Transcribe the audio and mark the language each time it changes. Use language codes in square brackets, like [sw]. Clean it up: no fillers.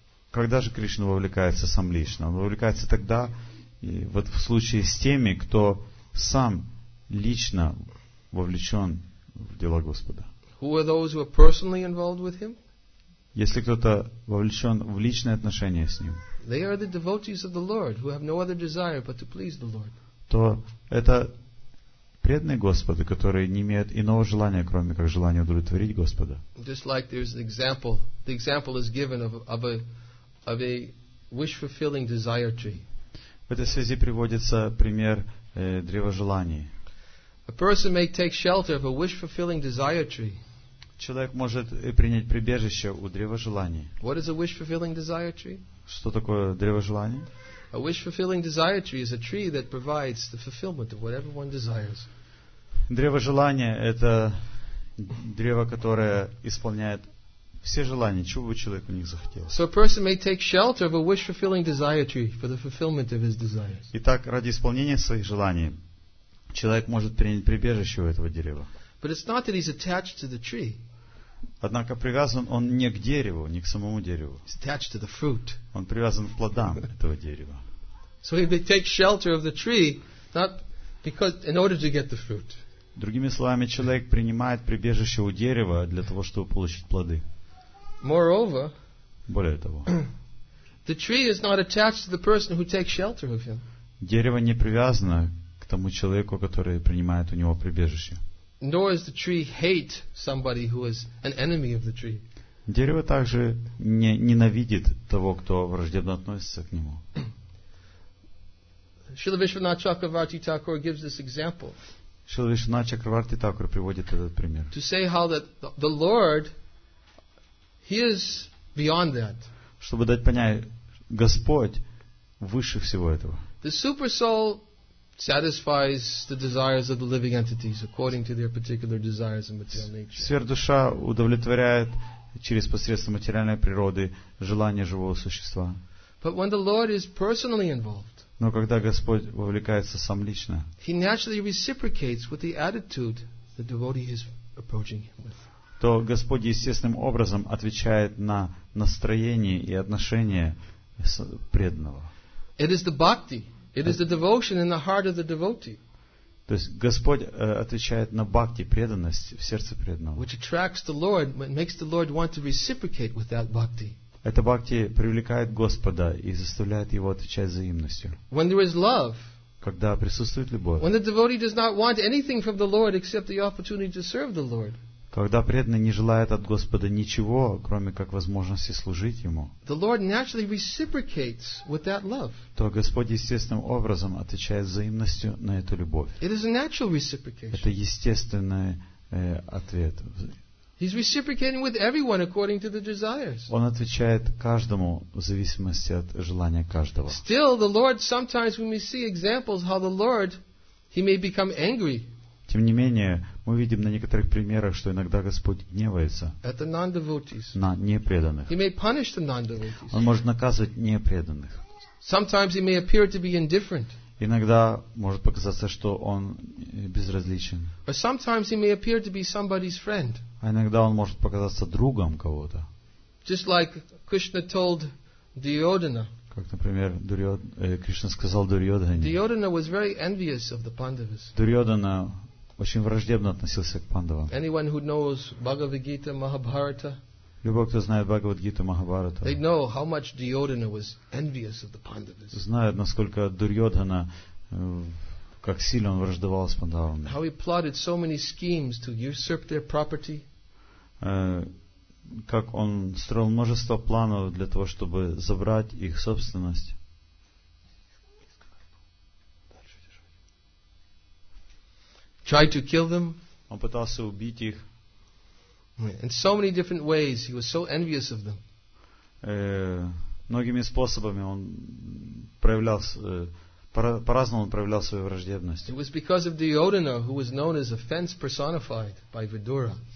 [ru] Когда же Кришна вовлекается сам лично? Он вовлекается тогда, вот в случае с теми, кто сам лично вовлечен в дела Господа. [en] Who are those who are personally involved with him? [ru] Если кто-то вовлечен в личные отношения с ним, [en] they are the devotees of the Lord who have no other desire but to please the Lord. [ru] То это преданные Господа, которые не имеют иного желания, кроме как желания удовлетворить Господа. [en] Just like there's an example, the example is given of a wish-fulfilling desire tree. [ru] В этой связи приводится пример древа желаний. [en] A person may take shelter of a wish-fulfilling desire tree. [ru] Человек может принять прибежище у древа желаний. [en] What is a wish-fulfilling desire tree? [ru] Что такое древо желаний? [en] A wish-fulfilling desire tree is a tree that provides the fulfillment of whatever one desires. [ru] Древо желания – это древо, которое исполняет все желания, чего бы человек у них захотел. [en] So a person may take shelter of a wish-fulfilling desire tree for the fulfillment of his desires. [ru] Итак, ради исполнения своих желаний человек может принять прибежище у этого дерева. [en] But it's not that he's attached to the tree. [ru] Однако привязан он не к дереву, не к самому дереву. [en] He's attached to the fruit. [ru] Он привязан к плодам этого дерева. [en] So he may take shelter of the tree, not because in order to get the fruit. [ru] Другими словами, человек принимает прибежище у дерева для того, чтобы получить плоды. [en] Moreover, [ru] более того, [en] the tree is not attached to the person who takes shelter of him. [ru] Дерево не привязано к тому человеку, который принимает у него прибежище. [en] Nor is the tree hate somebody who is an enemy of the tree. [ru] Дерево также не ненавидит того, кто враждебно относится к нему. [en] Шрила Вишванатха Чакраварти Тхакур gives this example. [ru] Шрила Вишванатха Чакраварти Тхакур приводит этот пример. [en] To say how that the Lord, He is beyond that. [ru] Чтобы дать понять, Господь выше всего этого. [en] The super soul satisfies the desires of the living entities according to their particular desires and material nature. [ru] Сверхдуша удовлетворяет через посредством материальной природы желания живого существа. [en] But when the Lord is personally involved, [ru] но когда Господь вовлекается сам лично, [en] He naturally reciprocates with the attitude the devotee is approaching Him with. [ru] То Господь естественным образом отвечает на настроение и отношение преданного. [en] It is the bhakti. It is the devotion in the heart of the devotee. [ru] То есть Господь отвечает на бхакти, преданность в сердце преданного. [en] Which attracts the Lord, makes the Lord want to reciprocate with that bhakti. [ru] Эта бхакти привлекает Господа и заставляет его отвечать взаимностью. [en] When there is love, [ru] когда присутствует любовь. [en] When the devotee does not want anything from the Lord except the opportunity to serve the Lord. [ru] Когда преданный не желает от Господа ничего, кроме как возможности служить Ему, [en] the Lord naturally reciprocates with that love. [ru] То Господь естественным образом отвечает взаимностью на эту любовь. [en] It is a natural reciprocation. [ru] Это естественный ответ. [en] He's reciprocating with everyone according to the desires. [ru] Он отвечает каждому в зависимости от желания каждого. [en] Still, the Lord, sometimes we may see examples how the Lord, He may become angry. [ru] Тем не менее, мы видим на некоторых примерах, что иногда Господь гневается на непреданных. [en] He may punish the non-devotees. [ru] Он может наказывать непреданных. [en] Sometimes he may appear to be indifferent. [ru] Иногда может показаться, что он безразличен. [en] Or sometimes he may appear to be somebody's friend. [ru] А иногда он может показаться другом кого-то. [en] Just like Krishna told Duryodhana. [ru] Как, например, Кришна сказал Дурьодхане. [en] Duryodhana was very envious of the Pandavas. [ru] Дурьодхана очень враждебно относился к пандавам. [en] Anyone who knows Bhagavad-gita, Mahabharata, [ru] любой, кто знает Бхагавад-гиту, Махабхарату, [en] they know how much Duryodhana was envious of the Pandavas. [ru] Знают, насколько Дурьодхана, как сильно он враждовал с пандавами. [en] How he plotted so many schemes to usurp their property. [ru] Как он строил множество планов для того, чтобы забрать их собственность. [en] Try to kill them. [ru] Он пытался убить их. [en] In so many different ways, he was so envious of them. [ru] Многими способами он проявлял, по-разному он проявлял свою враждебность. [en] It was because of Duryodhana, who was known as offense personified by Vidura.